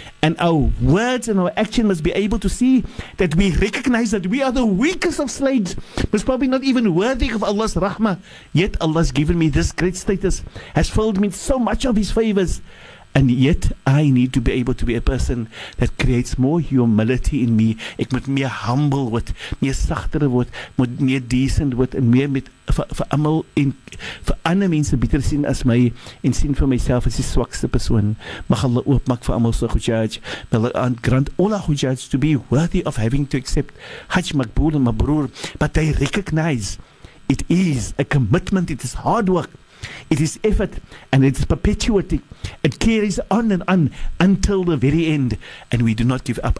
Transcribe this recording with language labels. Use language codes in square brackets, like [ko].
[en] And our words and our action must be able to see that we recognize that we are the weakest of slaves. Most probably not even worthy of Allah's rahmah. Yet Allah has given me this great status, has filled me so much of his favors. And yet I need to be able to be a person that creates more humility in me. [af] Ek moet meer humble word, meer sagter word, moet meer decent word en meer met vir almal en vir ander mense beter sien as my en sien vir myself as die swakste persoon. Mag Allah oopmaak vir almal se hujjaj. [en] May Allah grant all our hujjaj to be worthy of having to accept Hajj Maqbool and Mabroor. But they recognize it is a commitment, it is hard work. It is effort and it is perpetuity. It carries on until the very end, and we do not give up.